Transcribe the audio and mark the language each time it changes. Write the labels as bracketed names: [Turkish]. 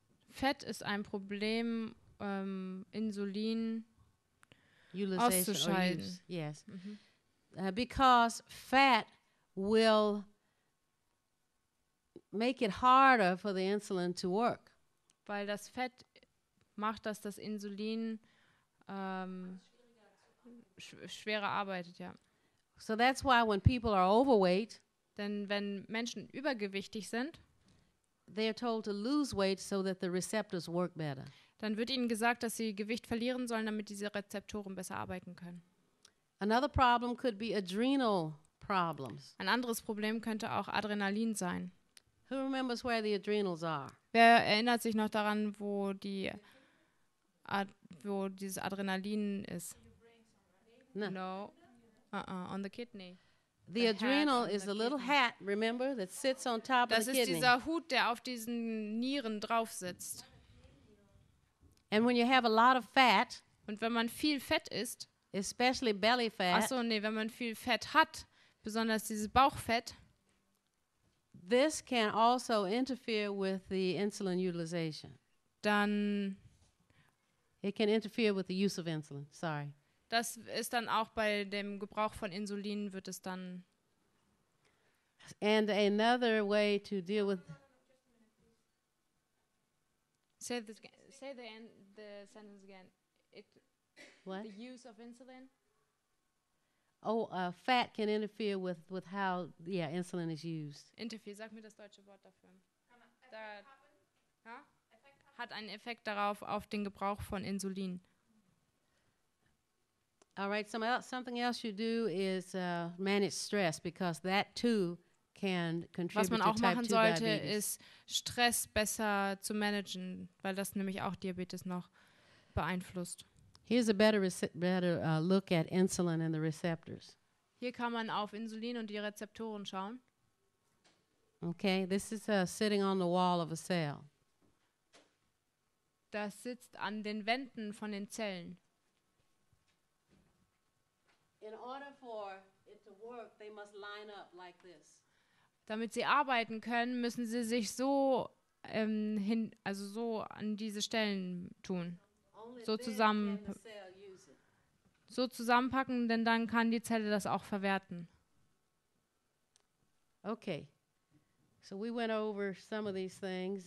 [German] Fett ist ein Problem, Insulin auszuscheiden. [English] Yes. Mm-hmm. Because fat will make it harder for the insulin to work. [German] Weil das Fett macht, dass das Insulin schwerer arbeitet, ja. [English] So that's why when people are overweight, [German] denn wenn Menschen übergewichtig sind, [English] they are told to lose weight so that the receptors work better. [German] Dann wird ihnen gesagt, dass sie Gewicht verlieren sollen, damit diese Rezeptoren besser arbeiten können. [English] Another problem could be adrenal problems. [German] Ein anderes Problem könnte auch Adrenalin sein. [English] Who remembers where the adrenals are? [German] Wer erinnert sich noch daran, wo die wo dieses Adrenalin ist? [English] No. No. On the kidney. The adrenal is a little hat, remember, that sits on top of the kidney. [German] Das ist dieser Hut, der auf diesen Nieren drauf sitzt. [English] And when you have a lot of fat, [German] und wenn man viel Fett isst, [English] especially belly fat, [German] ach so, nee, wenn man viel Fett hat, besonders dieses Bauchfett, [English] this can also interfere with the insulin utilization. [German] Dann [English] it can interfere with the use of insulin, sorry. [German] Das ist dann auch bei dem Gebrauch von Insulin wird es dann. [English] And another way to deal with. Say the sentence again. It what? The use of insulin. Oh, fat can interfere with how yeah insulin is used. [German] Interfere, sag mir das deutsche Wort dafür. Hat einen Effekt darauf auf den Gebrauch von Insulin. [English] All right, something else you do is manage stress, because that too can contribute to type 2 diabetes. [German] Was man auch machen sollte, ist Stress besser zu managen, weil das nämlich auch Diabetes noch beeinflusst. [English] Here's a better look at insulin and the receptors. [German] Hier kann man auf Insulin und die Rezeptoren schauen. [English] Okay, this is sitting on the wall of a cell. [German] Das sitzt an den Wänden von den Zellen. [English] In order for it to work, they must line up like this. [German] Damit sie arbeiten können, müssen sie sich so so an diese Stellen tun. So zusammenpacken, denn dann kann die Zelle das auch verwerten. [English] Okay. So we went over some of these things.